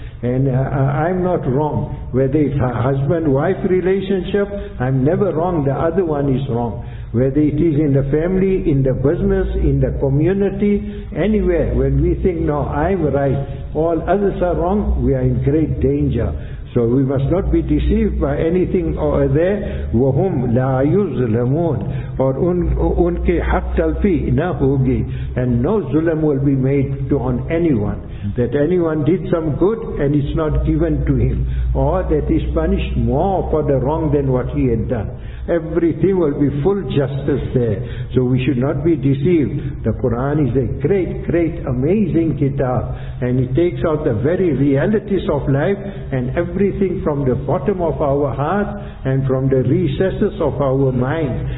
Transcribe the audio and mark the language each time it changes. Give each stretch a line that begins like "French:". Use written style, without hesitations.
English: And I'm not wrong. Whether it's a husband-wife relationship, I'm never wrong. The other one is wrong. Whether it is in the family, in the business, in the community, anywhere, when we think, no, I'm right, all others are wrong, we are in great danger. So we must not be deceived by anything over there.
Arabic: وَهُمْ لَا يُظْلَمُونَ
Urdu: اور ان کے حق تلفی نہ ہوگی.
English: And no zulm will be made to on anyone. That anyone did some good and it's not given to him. Or that he's punished more for the wrong than what he had done. Everything will be full justice there. So we should not be deceived. The Quran is a great, great, amazing kitab. And it takes out the very realities of life and everything from the bottom of our heart and from the recesses of our mind.